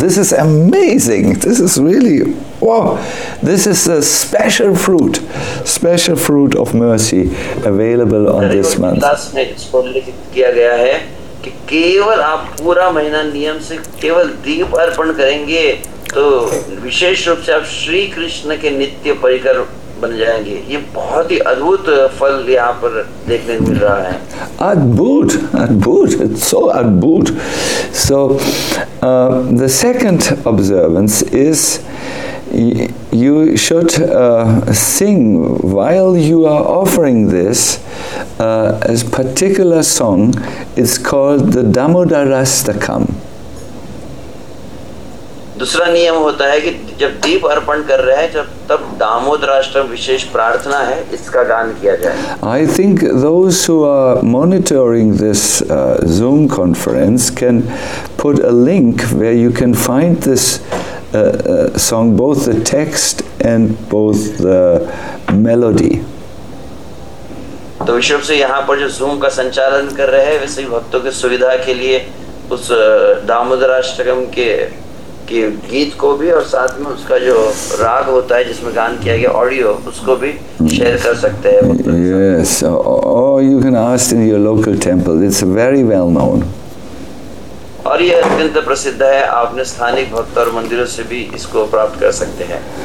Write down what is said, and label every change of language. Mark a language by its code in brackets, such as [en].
[en] This is amazing. This is really, wow. This is a special fruit of mercy available on this month. [hi] कि केवल आप पूरा महीना नियम से केवल दीप अर्पण करेंगे तो विशेष रूप से आप श्री कृष्ण के नित्य परिकर बन जाएंगे ये बहुत ही अद्भुत फल यहाँ पर देखने को मिल रहा है [en] अद्भुत it's so अद्भुत so the second observance is You should sing while you are offering this a particular song. It's called the Damodarastakam. [hi] दूसरा नियम होता है कि जब दीप अर्पण कर रहे हैं जब तब दामोदरास्तम विशेष प्रार्थना है इसका गान किया जाए। [en] I think those who are monitoring this Zoom conference can put a link where you can find this. Song both the text and both the melody. [hi] तो विशेष से यहाँ पर जो Zoom का संचालन कर रहे हैं वैसे भक्तों की सुविधा के लिए उस दामोदराष्टकम के गीत को भी और साथ में उसका जो राग होता है जिसमें गान किया गया ऑडियो उसको भी शेयर कर सकते हैं भक्तों के साथ. [en] Yes, or you can ask in your local temple. It's very well known. [hi] और ये अत्यंत प्रसिद्ध है आपने स्थानीय भक्त और मंदिरों से भी इसको प्राप्त कर सकते हैं